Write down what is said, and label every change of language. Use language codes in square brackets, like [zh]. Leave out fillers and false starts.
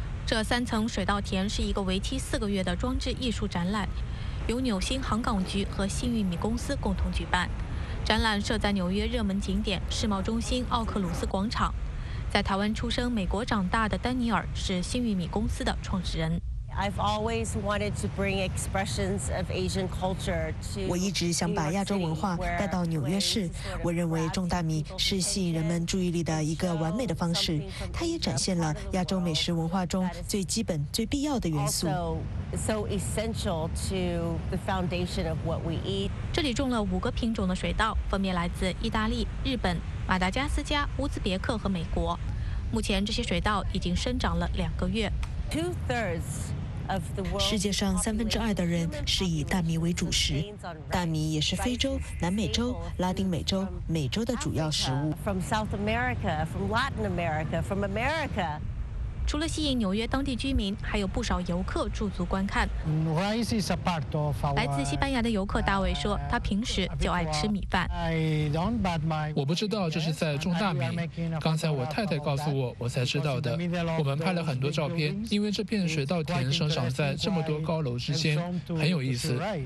[zh] 这三层水稻田是一个为期4个月的装置艺术展览，由纽星航港局和幸运米公司共同举办。展览设在纽约热门景点世贸中心奥克鲁斯广场。在台湾出生、美国长大的丹尼尔是幸运米公司的创始人。 [en] I've always wanted to bring expressions of Asian culture to. [zh] 我一直想把亚洲文化带到纽约市。我认为种大米是吸引人们注意力的一个完美的方式。它也展现了亚洲美食文化中最基本、最必要的元素。 [en] So essential to the foundation of what we eat. [zh] 这里种了5个品种的水稻，分别来自意大利、日本、马达加斯加、乌兹别克和美国。目前这些水稻已经生长了2个月。 2/3 世界上2/3的人是以大米为主食，大米也是非洲、南美洲、拉丁美洲、美洲的主要食物。 [en] From South America, from Latin America, from America. [zh] 除了吸引纽约当地居民，还有不少游客驻足观看。来自西班牙的游客大卫说，他平时就爱吃米饭。我不知道这是在种大米，刚才我太太告诉我，我才知道的。我们拍了很多照片，因为这片水稻田生长在这么多高楼之间，很有意思。